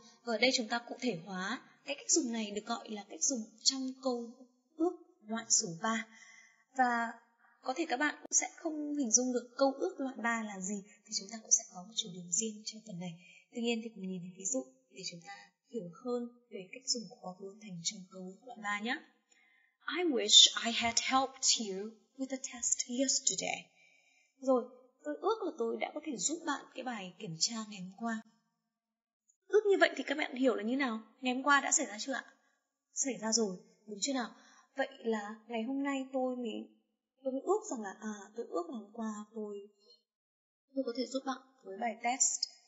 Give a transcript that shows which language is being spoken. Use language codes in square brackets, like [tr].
[vi] Và ở đây chúng ta cụ thể hóa cách dùng này được gọi là cách dùng trong câu ước loại số 3. Và có thể các bạn cũng sẽ không hình dung được câu ước loại 3 là gì, thì chúng ta cũng sẽ có một chủ đề riêng trong phần này. Tuy nhiên thì cùng nhìn thấy ví dụ để chúng ta hiểu hơn về cách dùng của quá khứ hoàn thành trong câu ước loại 3 nhé. [en] I wish I had helped you with the test yesterday. [vi] Rồi, tôi ước là tôi đã có thể giúp bạn cái bài kiểm tra ngày hôm qua. Ước như vậy thì các bạn hiểu là như nào? Ngày hôm qua đã xảy ra chưa ạ? Xảy ra rồi, đúng chưa nào? Vậy là ngày hôm nay tôi mới ước rằng là tôi ước ngày hôm qua tôi có thể giúp bạn với bài test.